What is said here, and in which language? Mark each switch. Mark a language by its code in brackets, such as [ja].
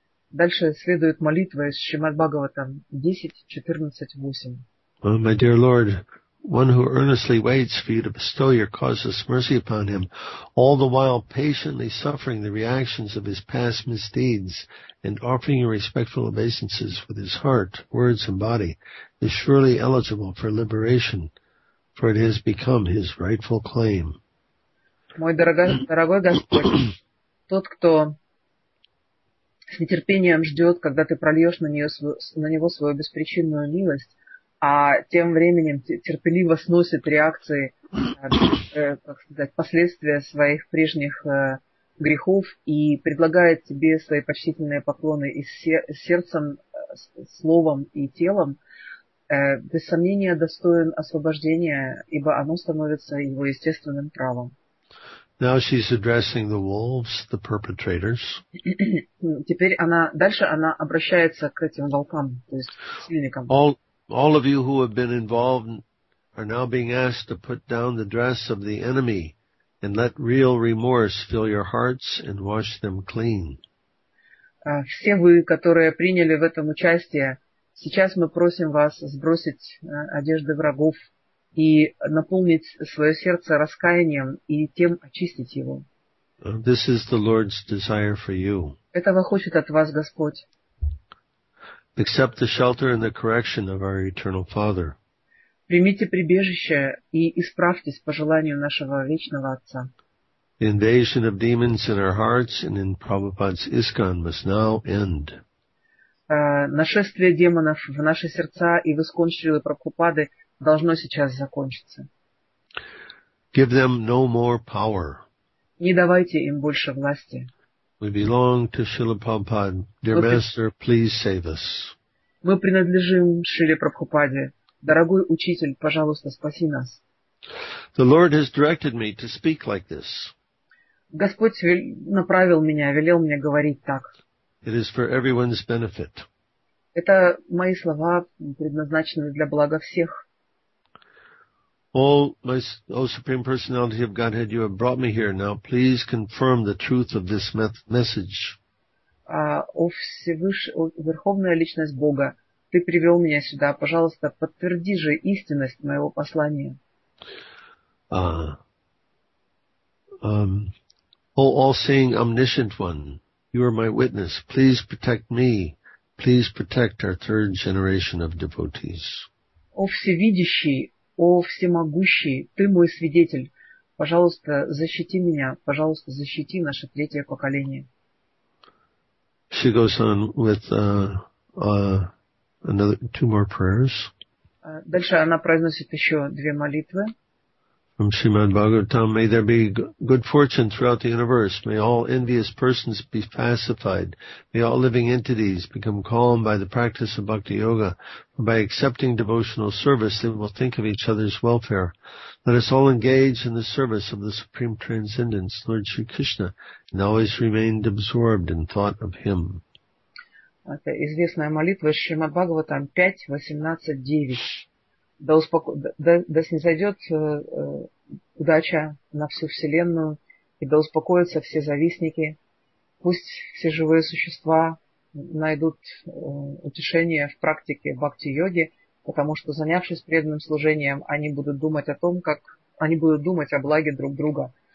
[ru] Дальше следует молитва из Шримад Бхагаватам 10.14.8. [en] My dear Lord, one who earnestly waits for you to bestow your causeless mercy upon him, all the while patiently suffering the reactions of his past misdeeds and offering your respectful obeisances with his heart, words, and body, is surely eligible for liberation, for it has become his rightful claim. [ru] Мой дорогой Господь, тот, кто с нетерпением ждет, когда ты прольешь на него свою беспричинную милость, а тем временем терпеливо сносит реакции, как сказать, последствия своих прежних грехов и предлагает тебе свои почтительные поклоны и сердцем, словом и телом, без сомнения достоин освобождения, ибо оно становится его естественным правом. [en] Now she's addressing the wolves, the perpetrators. [ru] Теперь она, дальше она обращается к этим волкам, то есть к сильникам. [en] All of you who have been involved are now being asked to put down the dress of the enemy and let real remorse fill your hearts and wash them clean. [ru] Все вы, которые приняли в этом участие, сейчас мы просим вас сбросить одежды врагов и наполнить свое сердце раскаянием и тем очистить его. [en] This is the Lord's desire for you. [ru] Этого хочет от вас Господь. [en] Accept the shelter and the correction of our eternal Father. [ru] Примите прибежище и исправьтесь по желанию нашего вечного Отца. [en] The invasion of demons in our hearts and in Prabhupada's ISKCON must now end. [ru] Нашествие демонов в наши сердца и в ИСККОН Шрилы Прабхупады должно сейчас закончиться. [en] Give them no more power. [ru] Не давайте им больше власти. [en] We belong to Srila Prabhupada. Dear Master, please save us. [ru] Мы принадлежим Шриле Прабхупаде. Дорогой учитель, пожалуйста, спаси нас. [en] The Lord has directed me to speak like this. [ru] Господь направил меня, велел мне говорить так. [en] It is for everyone's benefit. [ru] Это мои слова, предназначены для блага всех. [en] O Supreme Personality of Godhead, you have brought me here. Now please confirm the truth of this message. [ru] Верховная личность Бога, ты привел меня сюда. Пожалуйста, подтверди же истинность моего послания. [en] O all-seeing omniscient one, you are my witness. Please protect me. Please protect our third generation of devotees. [ru] О всевидящий, о всемогущий, ты мой свидетель. Пожалуйста, защити меня. Пожалуйста, защити наше третье поколение. [en] She goes on with two more prayers. [ru] Дальше она произносит еще две молитвы. [en] From Srimad Bhagavatam, may there be good fortune throughout the universe. May all envious persons be pacified. May all living entities become calm by the practice of Bhakti Yoga. By accepting devotional service, they will think of each other's welfare. Let us all engage in the service of the Supreme Transcendence, Lord Sri Krishna, and always remain absorbed in thought of Him. [ru] Это известная молитва Srimad Bhagavatam 5.18.9. Да снизойдет удача на всю Вселенную, и да успокоятся все завистники. Пусть все живые существа найдут утешение в практике бхакти-йоги, потому что, занявшись преданным служением, они будут думать о том, как они будут думать о благе друг друга.